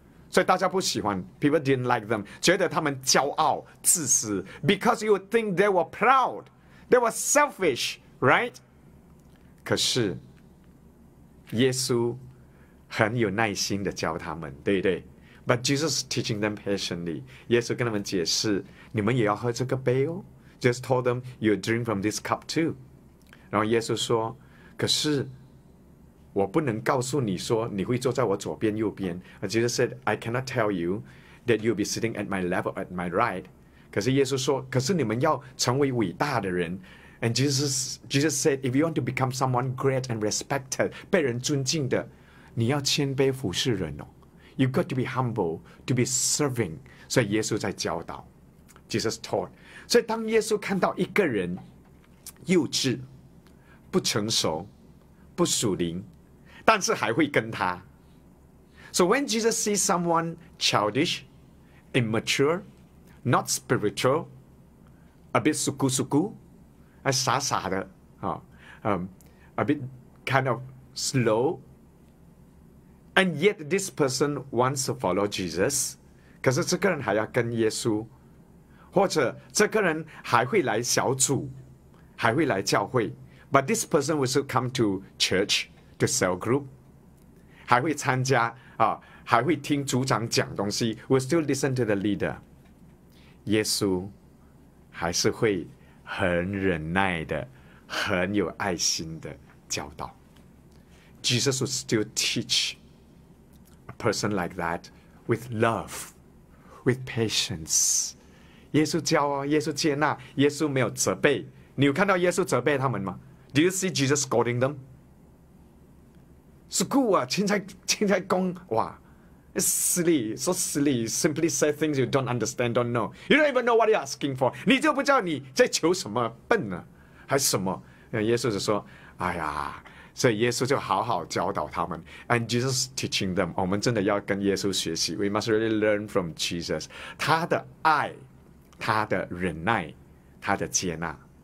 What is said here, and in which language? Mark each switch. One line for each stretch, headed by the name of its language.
Chinese: 所以大家不喜欢,
English: people didn't like them.
Chinese: 觉得他们骄傲,自私,
English: because you think they were proud. They were selfish, right?
Chinese: 可是耶稣很有耐心地教他们,对不对?
English: But Jesus teaching them patiently.
Chinese: 耶稣跟他们解释,你们也要喝这个杯哦。
English: Just told them, you drink from this cup too.
Chinese: 然后耶稣说，可是我不能告诉你说你会坐在我左边右边。
English: Jesus said, I cannot tell you that you'll be sitting at my left or at my right.
Chinese: 可是耶稣说，可是你们要成为伟大的人。
English: And Jesus said, if you want to become someone great and respected,
Chinese: 被人尊敬的，你要谦卑服侍人哦。
English: You've got to be humble, to be serving.
Chinese: 所以耶稣在教导。
English: Jesus taught.
Chinese: 所以当耶稣看到一个人幼稚、不成熟、不属灵，但是还会跟他。
English: So when Jesus sees someone childish, immature, not spiritual, a bit suku-suku,
Chinese: 傻傻的、
English: a bit kind of slow, and yet this person wants to follow Jesus,
Chinese: 可是这个人还要跟耶稣，或者这个人还会来小组，还会来教会。
English: But this person will still come to church, to cell group,
Chinese: 还会参加、还会听组长讲东西，
English: will still listen to the leader.
Chinese: 耶稣还是会很忍耐的，很有爱心的教导。
English: Jesus will still teach a person like that with love, with patience.
Chinese: 耶稣教哦，耶稣接纳，耶稣没有责备。你有看到耶稣责备他们吗？
English: Do you see Jesus scolding them? School 啊，青菜工哇。 Silly, so silly. Simply say things you don't understand, don't know. You don't even know what you're asking for.
Chinese: 你就不知道你在求什么，笨啊，还是什么？耶稣就说：“哎呀，所以耶稣就好好教导他们。”
English: And Jesus teaching them.
Chinese: 我们真的要跟耶稣学习。
English: We must really learn from Jesus.
Chinese: 他的爱，他的忍耐，他的接纳。